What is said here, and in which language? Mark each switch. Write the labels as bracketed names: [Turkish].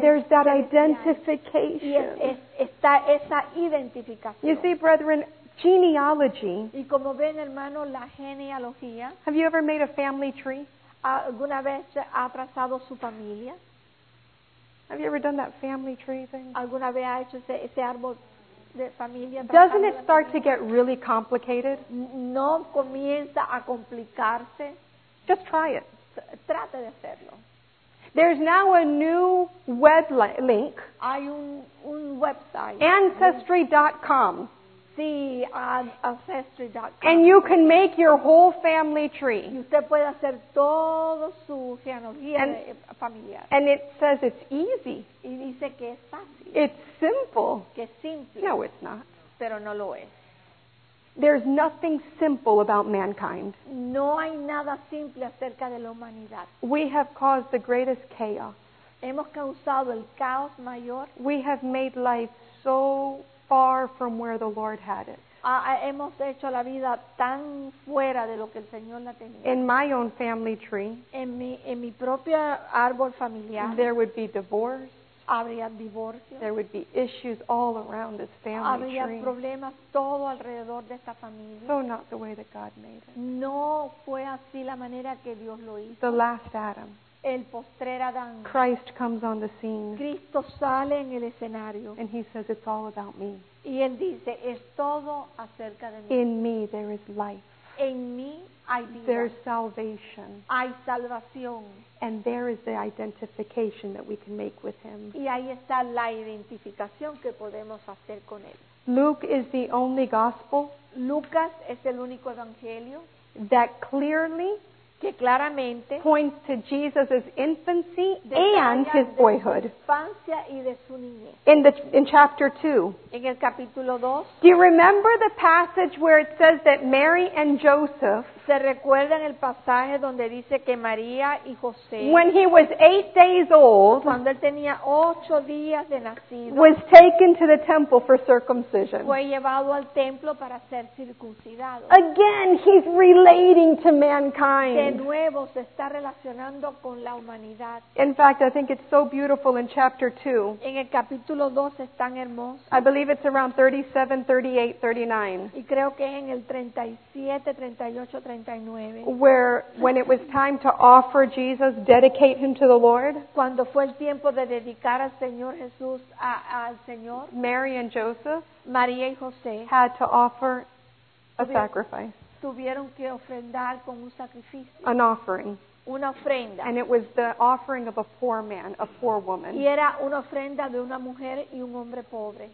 [English] there's that identification. [Spanish] Y está esa identificación. [English] You see, brethren, genealogy. [Spanish] Y como ven, hermano, la genealogía. [English] Have you ever made a family tree? [Spanish] ¿Alguna vez ha trazado su familia? [English] Have you ever done that family tree thing? [Spanish] ¿Alguna vez ha hecho ese árbol de familia? [English] Doesn't it start to get really complicated? [Spanish] ¿No comienza a complicarse? [English] Just try it. [Spanish] Trate de hacerlo. [English] There's now a new web link. [Spanish] Hay un website. [English] Ancestry.com. [Spanish] Ancestry.com. [English] And you can make your whole family tree. [Spanish] Y usted puede hacer todo su genealogía familiar. [English] And it says it's easy. [Spanish] Y dice que es fácil. [English] It's simple. [Spanish] Que es simple. [English] No, it's not. [Spanish] Pero no lo es. [English] There's nothing simple about mankind. [Spanish] No hay nada simple acerca de la humanidad. [English] We have caused the greatest chaos. [Spanish] Hemos causado el caos mayor. [English] We have made life so far from where the Lord had it. [Spanish] Hemos hecho la vida tan fuera de lo que el Señor la tenía. [English] In my own family tree, [Spanish] en mi propio árbol familiar, [English] there would be divorce. [Spanish] Habría divorcio. [English] There would be issues all around this family [Spanish] habría [English] tree. [Spanish] Habría problemas todo alrededor de esta familia. [English] So not the way that God made it. [Spanish] No fue así la manera que Dios lo hizo. [English] The last Adam. [Spanish] El postrer Adán. [English] Christ comes on the scene. [Spanish] Cristo sale en el escenario. [English] And he says, it's all about me. [Spanish] Y él dice, es todo acerca de mí. [English] In me there is life. [Spanish] En mí hay vida. [English] There's salvation. [Spanish] Hay salvación. [English] And there is the identification that we can make with him. [Spanish] Y ahí está la identificación que podemos hacer con él. [English] Luke is the only gospel. [Spanish] Lucas es el único evangelio. [English] That clearly [Spanish] que claramente [English] points to Jesus' infancy and his boyhood. In chapter 2. [Spanish] En el capítulo 2. [English] Do you remember the passage where it says that Mary and Joseph, [Spanish] se recuerda en el pasaje donde dice que María y José, [English] when he was 8 days old, [Spanish] cuando él tenía 8 días de nacido, [English] was taken to the temple for circumcision. [Spanish] Fue llevado al templo para ser circuncidado. [English] Again, he's relating to mankind. [Spanish] De nuevo se está relacionando con la humanidad. [English] In fact, I think it's so beautiful in chapter 2. [Spanish] En el capítulo 2 es tan hermoso. [English] I believe it's around 37, 38, 39. [Spanish] Y creo que es en el 37, 38, 39. [English] Where, when it was time to offer Jesus, dedicate him to the Lord. [Spanish] Cuando fue el tiempo de dedicar al Señor Jesús al Señor. [English] Mary and Joseph. [Spanish] María y José. [English] Had to offer a sacrifice. [Spanish] Tuvieron que ofrendar con un sacrificio. [English] An offering. [Spanish] Una ofrenda. [English] And it was the offering of a poor man, a poor woman. [Spanish] Y era una ofrenda de una mujer y un hombre pobre.